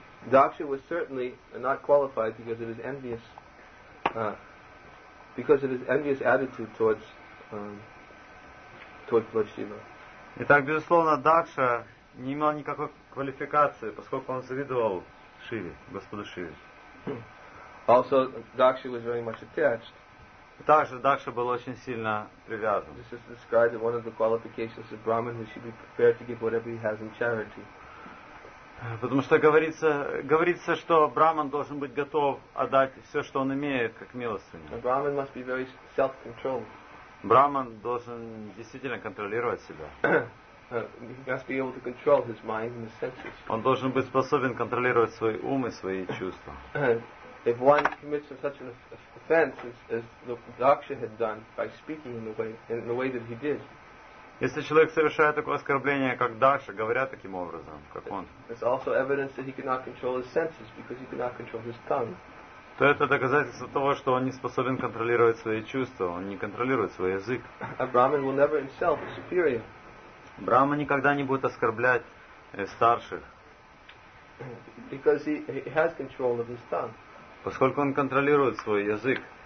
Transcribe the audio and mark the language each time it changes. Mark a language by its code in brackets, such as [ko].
[en] Daksha was certainly not qualified because of his envious, attitude towards Lord Shiva. [ru] Итак, безусловно, Дакша не имел никакой квалификации, поскольку он завидовал Шиве, Господу Шиве. [en] Also, Daksha was very much attached. [ru] Также Дакша был очень сильно привязан. [en] This is described as one of the qualifications of Brahman, who should be prepared to give whatever he has in charity. [ru] Потому что говорится, что Браман должен быть готов отдать все, что он имеет, как милостыню. [en] Brahman must be very self-controlled. [ru] Браман должен действительно контролировать себя. [en] He must be able to control his mind and his senses. [ru] Он должен быть способен контролировать свой ум и свои чувства. [en] If one commits such an offense as the Daksha had done by speaking in the way that he did. [ru] Если человек совершает такое оскорбление, как Дакша, говоря таким образом, как он, [en] it's also evidence that he cannot control his senses because he cannot control his tongue. [ru] То это доказательство того, что он не способен контролировать свои чувства, он не контролирует свой язык. [en] A Brahman will never insult the superior. [ru] Брама никогда не будет оскорблять старших. [en] Because he has control of his tongue. [ru] Поскольку он контролирует свой язык.